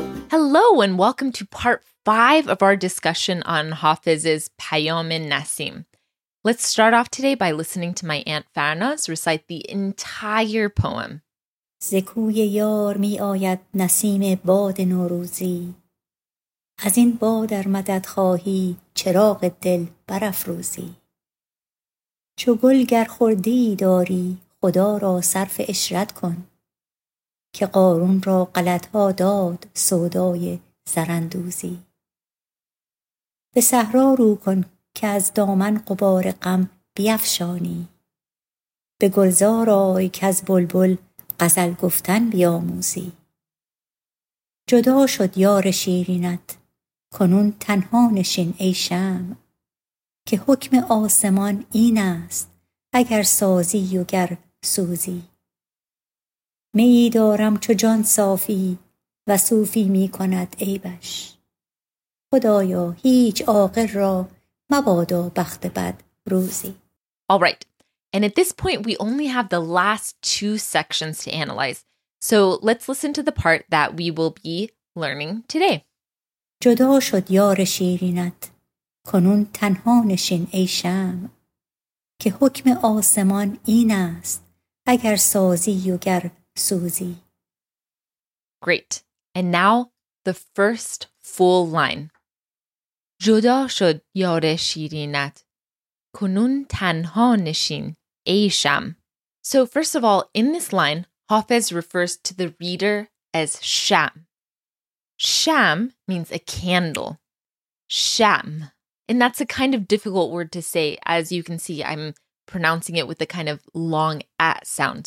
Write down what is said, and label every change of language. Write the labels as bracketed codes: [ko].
[en] Hello and welcome to Part 5 of our discussion on Hafez's Payam e Naseem. Let's start off today by listening to my Aunt Farnaz recite the entire poem. [fa] ز کوی یار می آید نسیم باد نوروزی از این باد ار مدد خواهی چراغ دل برافروزی چو گل گر خردی داری خدا را صرف عشرت کن که قارون را غلط ها داد سودای زراندوزی به صحرا رو کن که از دامن غبار غم بیفشانی به گلزار آی که از بلبل غزل گفتن بیاموزی جدا شد یار شیرینت کنون تنها نشین ای شمع که حکم آسمان این است اگر سازی و گر سوزی می دارم چو جان صافی و صوفی می کند عیبش خدایا هیچ عاقل را مبادا بخت بد روزی. [en] All right. And at this point, we only have the last two sections to analyze. So let's listen to the part that we will be learning today. [fa] جدا شد یار شیرینت کنون تنها نشین ای شمع که حکم آسمان این است اگر سازی و گر سوزی. [en] Great. And now the first full line. [fa] جدا شد یار شیرینت کنون تنها نشین Aisham. [en] So first of all, in this line, Hafez refers to the reader as Sham. Sham means a candle. Sham. And that's a kind of difficult word to say. As you can see, I'm pronouncing it with a kind of long a sound.